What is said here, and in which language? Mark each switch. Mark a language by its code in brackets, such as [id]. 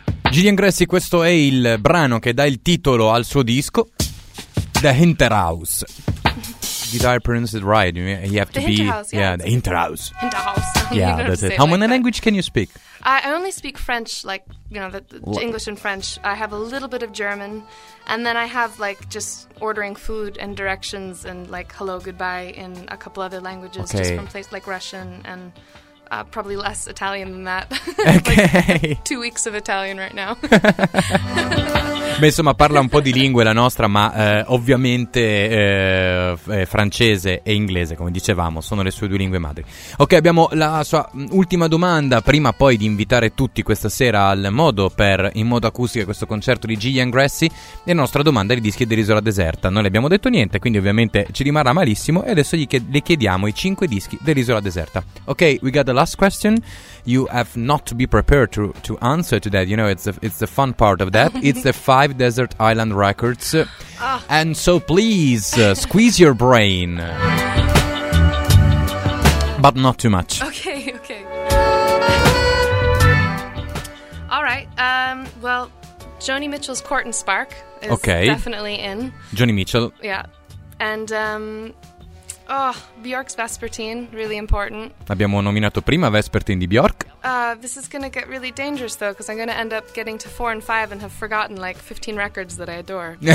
[it] Gillian Gracy, questo è il brano che dà il titolo al suo disco, The Hinterhouse. [en] Did I pronounce it right? You have the to Hinterhouse, be, yeah, yeah, the Hinterhouse. Hinterhouse. Yeah, that's it. How many like language can you speak? I only speak French, like, you know, the English and French. I have a little bit of German, and then I have, like, just ordering food and directions and, like, hello, goodbye in a couple other languages, okay, just from places like Russian and probably less Italian than that. Okay. Like, 2 weeks of Italian right now. [it] Beh, insomma, parla un po' di lingue la nostra, ma ovviamente francese e inglese, come dicevamo, sono le sue due lingue madri. Ok, abbiamo la sua ultima domanda, prima poi di invitare tutti questa sera al Modo, per in modo acustico, questo concerto di Gillian Gracy, e la nostra domanda è di dischi dell'Isola Deserta. Non le abbiamo detto niente, quindi ovviamente ci rimarrà malissimo, e adesso le chiediamo i 5 dischi dell'Isola Deserta. [en] Ok, we got the last question. You have not to be prepared to answer to that. You know, it's the fun part of that. It's the 5 Desert Island Records. And so please, squeeze your brain. But not too much. Okay, okay. All right. Well, Joni Mitchell's Court and Spark is definitely in. Joni Mitchell. Yeah. And oh, Bjork's Vespertine, really important. [it] Abbiamo nominato prima Vespertine di Bjork. [en] This is going to get really dangerous though, because I'm going to end up getting to 4 and 5 and have forgotten like 15 records that I adore.